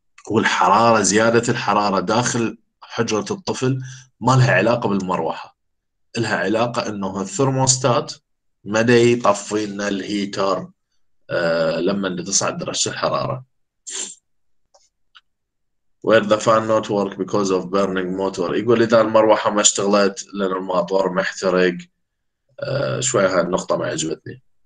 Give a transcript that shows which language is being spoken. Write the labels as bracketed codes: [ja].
[ar] والحرارة زيادة الحرارة داخل حجرة الطفل ما لها علاقة بالمروحة، لها علاقة انه الثرموستات مدى يطفي لنا الهيتر لما تصعد درجة الحرارة. [en] Where the fan not work because of burning motor، [ar] يقول اذا المروحة ما اشتغلت لان الموتور محترق. شوية هاي النقطة ما عجبتني.